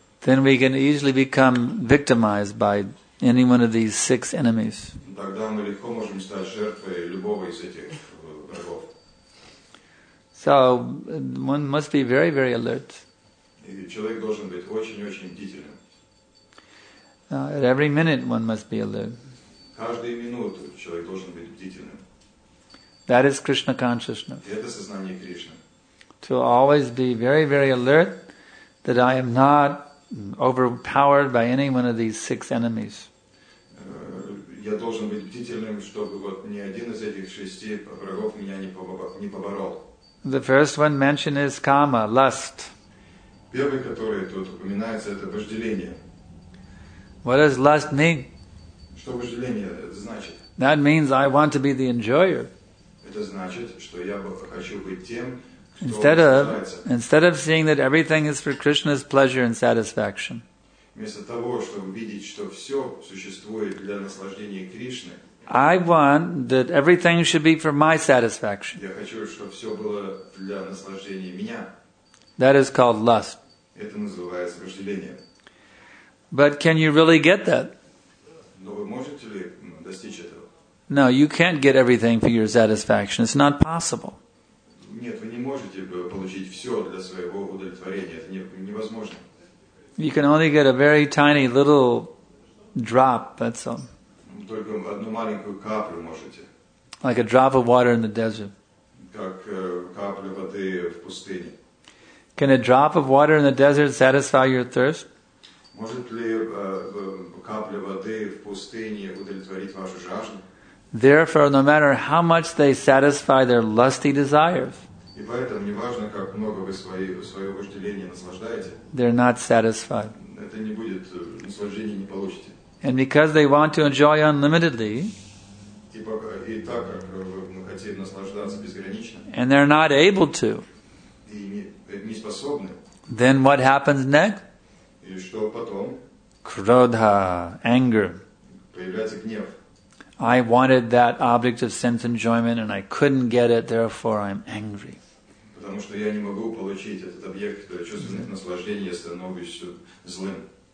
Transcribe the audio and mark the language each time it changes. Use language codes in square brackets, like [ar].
[en] then we can easily become victimized by any one of these 6 enemies. [ru] Тогда мы легко можем стать жертвой любого из этих врагов. [en] So one must be very, very alert. [ru] Человек должен быть очень-очень бдительным. [en] At every minute one must be alert. [ru] Каждую минуту человек должен быть бдительным. [en] That is Krishna consciousness. [ru] И это сознание Кришны. [en] To always be very, very alert that I am not overpowered by any one of these 6 enemies. [ru] Я должен быть бдительным, чтобы вот ни один из этих шести врагов меня не поборол. [en] The first one mentioned is kama, lust. [ru] Первый, который тут упоминается, это вожделение. [en] What does lust mean? [ru] Что вожделение значит? [en] That means I want to be the enjoyer. [ru] Это значит, что я хочу быть тем, кто [en] instead of seeing that everything is for Krishna's pleasure and satisfaction. [ru] Вместо того, чтобы видеть, что все существует для наслаждения Кришны. [en] I want that everything should be for my satisfaction. [ru] Я хочу, чтобы все было для наслаждения меня. [en] That is called lust. [ru] Это называется вожделение. [en] But can you really get that? [ru] Но вы можете ли достичь этого? [en] No, you can't get everything for your satisfaction. It's not possible. [ru] Нет, вы не можете получить все для своего удовлетворения. Это невозможно. [en] You can only get a very tiny little drop, that's all. [ru] только одну маленькую каплю можете. [en] Like a drop of water in the desert. [ru] Как капля воды в пустыне. [en] Can a drop of water in the desert satisfy your thirst? [ru] Может ли капля воды в пустыне удовлетворить вашу жажду? [en] Therefore, no matter how much they satisfy their lusty desires, [ru] и поэтому, неважно, как много вы свое вожделение наслаждаете, [en] they're not satisfied. [ru] Это не будет, наслаждение не получите. [en] And because they want to enjoy unlimitedly, [ru] и так как мы хотим наслаждаться безгранично, [en] and they're not able to, [ru] и не способны, [en] then what happens next? [ru] И что потом? [en] Кродха, anger. [ru] Появляется гнев. [en] I wanted that object of sense enjoyment and I couldn't get it, therefore I'm angry. [ru] Потому что я не могу получить этот объект чувственных наслаждений, я становлюсь злым.